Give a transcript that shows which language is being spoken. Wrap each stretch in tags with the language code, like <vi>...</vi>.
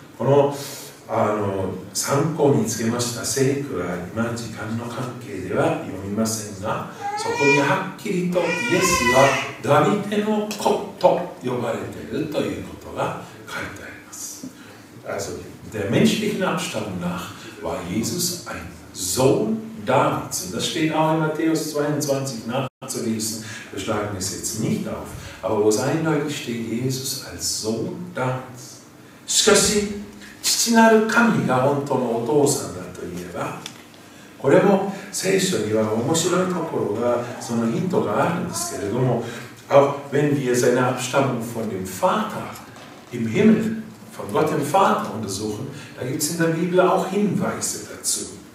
<ja>この、 参考につけました聖句は今時間の関係では読みませんが、そこにはっきりとイエスはダビデの子と呼ばれているということが書いてあります。</ja> <de>Also, der menschlichen Abstammung nachWar Jesus ein Sohn Davids? Und das steht auch in Matthäus 22 nachzulesen. Wir schlagen es jetzt nicht auf. Aber wo es eindeutig steht, Jesus als Sohn Davids.</de> <ja>しかし、父なる神が本当のお父さんだといえば、これも聖書には面白いところが、そのヒントがあるんですけれども、</ja> <de>auch wenn wir seine Abstammung von dem Vater im Himmel, von Gott dem Vater untersuchen,Da gibt es in der Bibel auch Hinweise dazu.</de>